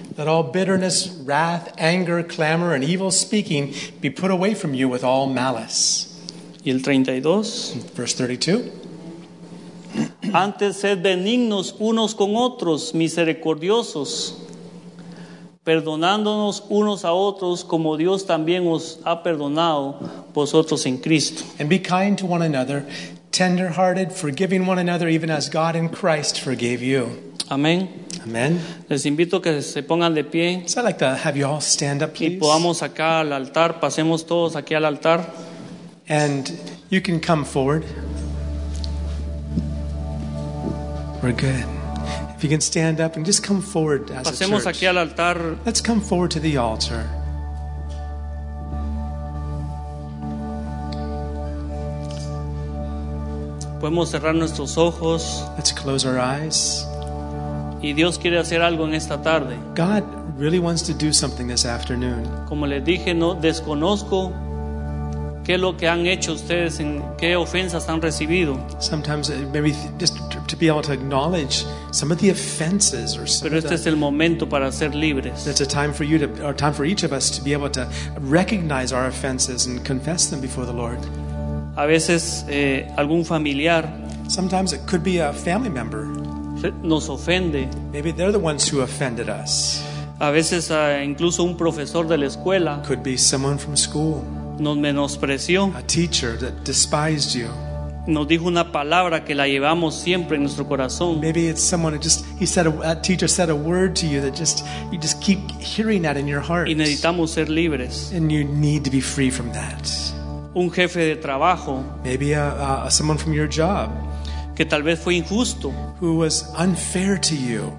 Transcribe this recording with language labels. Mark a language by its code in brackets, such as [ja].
[en] Let all bitterness, wrath, anger, clamor, and evil speaking be put away from you with all malice. [es] Y el 32. [en] Verse 32. [es] Antes sed benignos unos con otros, misericordiosos, perdonándonos unos a otros como Dios también os ha perdonado vosotros en Cristo. [en] And be kind to one another, tender-hearted, forgiving one another, even as God in Christ forgave you. [es] Amén. [en] Amen. [es] Les invito que se pongan de pie. [en] So I'd like to have you all stand up, please. [es] Y podamos acá al altar, pasemos todos aquí al altar. [en] And you can come forward. We're good. If you can stand up and just come forward as [es] pasemos [en] a church. [es] Aquí al altar. [en] Let's come forward to the altar. [es] Podemos cerrar nuestros ojos. [en] Let's close our eyes. [es] Y Dios quiere hacer algo en esta tarde. [en] God really wants to do something this afternoon. [es] Como les dije, no desconozco qué es lo que han hecho ustedes, en qué ofensas han recibido. [en] Sometimes maybe just to be able to acknowledge some of the offenses or some [es] pero este [en] of the, [es] es el momento para ser libres. [en] It's a time for you to, or time for each of us to be able to recognize our offenses and confess them before the Lord. [es] A veces algún familiar, [en] sometimes it could be a family member, [es] nos ofende. [en] Maybe they're the ones who offended us. [es] A veces incluso un profesor de la escuela, [en] could be someone from school, [es] nos menospreció. [en] A teacher that despised you, [es] nos dijo una palabra que la llevamos siempre en nuestro corazón. [en] Maybe it's someone who just he said a teacher said a word to you that just you just keep hearing that in your heart. [es] Y necesitamos ser libres. [en] And you need to be free from that. [es] Un jefe de trabajo, [en] maybe someone from your job, [es] que tal vez fue injusto, [en] who was unfair to you,